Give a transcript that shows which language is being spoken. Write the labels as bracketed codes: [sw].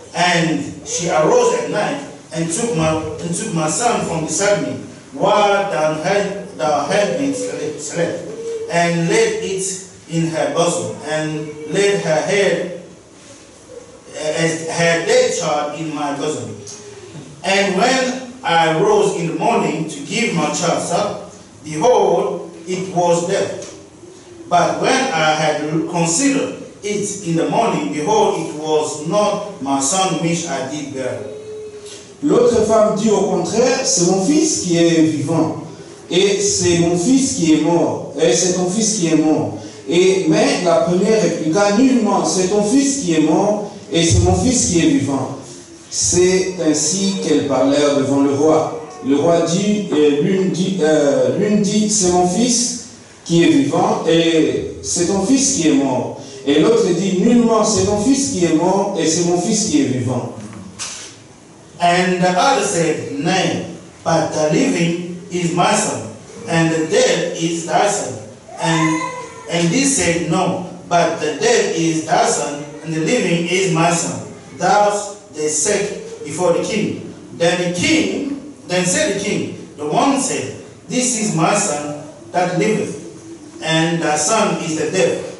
[en] And she arose at night and took my son from beside me while thou hadst slept, and laid it in her bosom, and laid her head as her dead child in my bosom. And when I rose in the morning to give my child supper, behold, it was dead. But when I had considered it in the morning, behold, it was not my son which I did bear. [fr] L'autre femme dit au contraire, c'est mon fils qui est vivant, et c'est mon fils qui est mort, et c'est ton fils qui est mort. Mais la première répliqua, nullement, c'est ton fils qui est mort, et c'est mon fils qui est vivant. C'est ainsi qu'elles parlèrent devant le roi. Le roi dit, et l'une dit, c'est mon fils qui est vivant, et c'est ton fils qui est mort. Et l'autre dit, nullement, c'est ton fils qui est mort, et c'est mon fils qui est vivant. [en] And the other said, nay, but the living is my son, and the dead is thy son. And this said, no, but the dead is thy son, and the living is my son. Thus they said before the king. Then said the king, the one said, this is my son that liveth, and thy son is the dead.